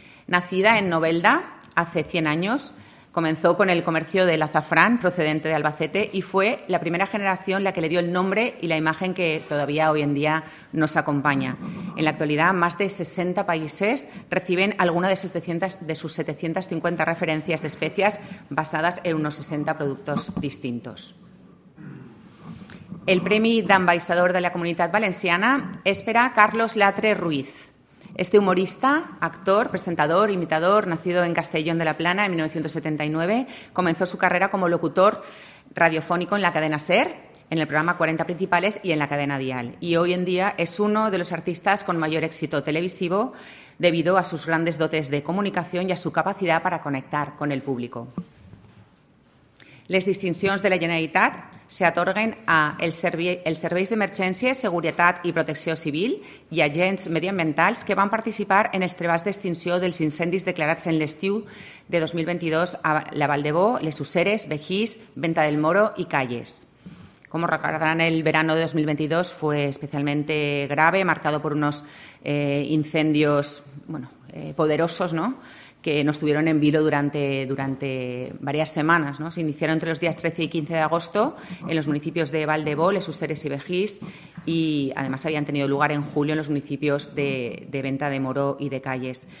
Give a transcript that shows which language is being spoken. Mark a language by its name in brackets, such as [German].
[Spanish] Nacida en Novelda hace 100 años, comenzó con el comercio del azafrán procedente de Albacete y fue la primera generación la que le dio el nombre y la imagen que todavía hoy en día nos acompaña. En la actualidad, más de 60 países reciben alguna de sus 750 referencias de especias basadas en unos 60 productos distintos. [Catalan] El premi d'ambaixador de la Comunitat Valenciana és per a Carlos Latre Ruiz. [Spanish] Este humorista, actor, presentador, imitador, nacido en Castellón de la Plana en 1979, comenzó su carrera como locutor radiofónico en la cadena SER, en el programa 40 Principales y en la cadena Dial. Y hoy en día es uno de los artistas con mayor éxito televisivo debido a sus grandes dotes de comunicación y a su capacidad para conectar con el público. [Catalan] Les distincions de la Generalitat se atorguen a els serveis d'emergències, seguretat i protecció civil i agents mediambientals que van participar en els treballs d'extinció dels incendis declarats en l'estiu de 2022 a la Vall d'Ebo, les Useres, Begís, Venta del Moro i Calles. [Spanish] Como recordarán, el verano de 2022 fue especialmente grave, marcado por unos incendios poderosos, ¿no?, que nos tuvieron en vilo durante varias semanas, ¿no? Se iniciaron entre los días 13 y 15 de agosto en los municipios de Vall d'Ebo, Les Useres y Begís y además habían tenido lugar en julio en los municipios de Venta de Moro y de Calles.